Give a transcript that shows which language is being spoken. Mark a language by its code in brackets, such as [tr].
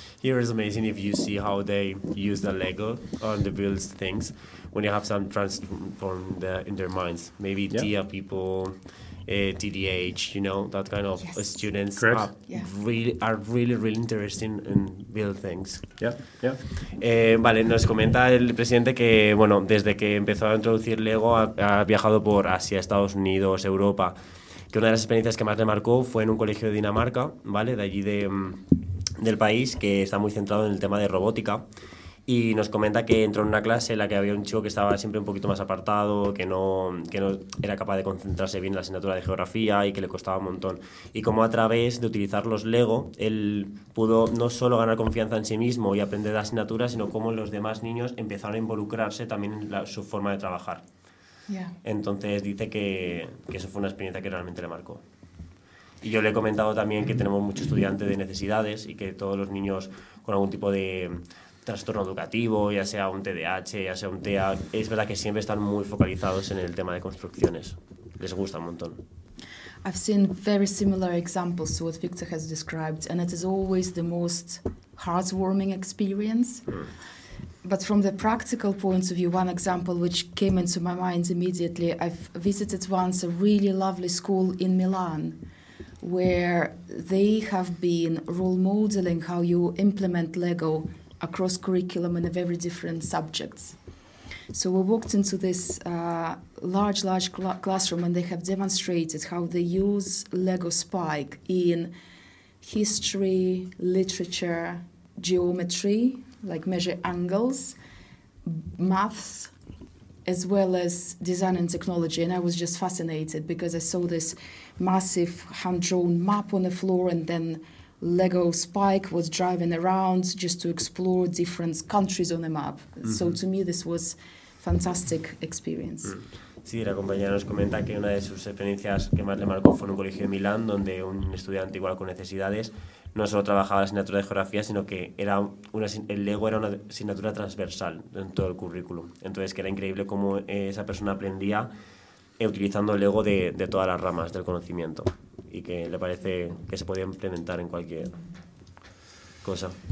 [en] Here is amazing if you see how they use the Lego on the build things. When you have some transform in their minds, maybe TIA people, TDAH, you know, that kind of yes. students Correct. Are yeah. really are really really interested in build things. Yeah, yeah. [es] Vale, nos comenta el presidente que bueno, desde que empezó a introducir Lego ha viajado por Asia, Estados Unidos, Europa. Que una de las experiencias que más le marcó fue en un colegio de Dinamarca, vale, de allí de del país, que está muy centrado en el tema de robótica. Y nos comenta que entró en una clase en la que había un chico que estaba siempre un poquito más apartado, que no era capaz de concentrarse bien en la asignatura de geografía y que le costaba un montón. Y cómo a través de utilizar los Lego, él pudo no solo ganar confianza en sí mismo y aprender la asignatura, sino cómo los demás niños empezaron a involucrarse también en su forma de trabajar. [en] Yeah. [es] Entonces dice que eso fue una experiencia que realmente le marcó. Y yo le he comentado también que tenemos muchos estudiantes de necesidades y que todos los niños con algún tipo de trastorno educativo, ya sea un TDAH, ya sea un TEA, es verdad que siempre están muy focalizados en el tema de construcciones. Les gusta un montón. [en] I've seen very similar examples to what Victor has described, and it is always the most heartwarming experience. But from the practical point of view, one example which came into my mind immediately, I've visited once a really lovely school in Milan, where they have been role modeling how you implement Lego across curriculum in a very different subjects. So we walked into this classroom and they have demonstrated how they use Lego Spike in history, literature, geometry, like measure angles, maths, as well as design and technology. And I was just fascinated because I saw this massive hand-drawn map on the floor and then Lego Spike was driving around just to explore different countries on the map. Mm-hmm. So to me, this was fantastic experience. Mm. [es] Sí, la compañera nos comenta que una de sus experiencias que más le marcó fue en un colegio de Milán, donde un estudiante igual con necesidades no solo trabajaba la asignatura de geografía, sino que el Lego era una asignatura transversal en todo el currículum. Entonces, que era increíble cómo esa persona aprendía utilizando el Lego de todas las ramas del conocimiento y que le parece que se podía implementar en cualquier cosa.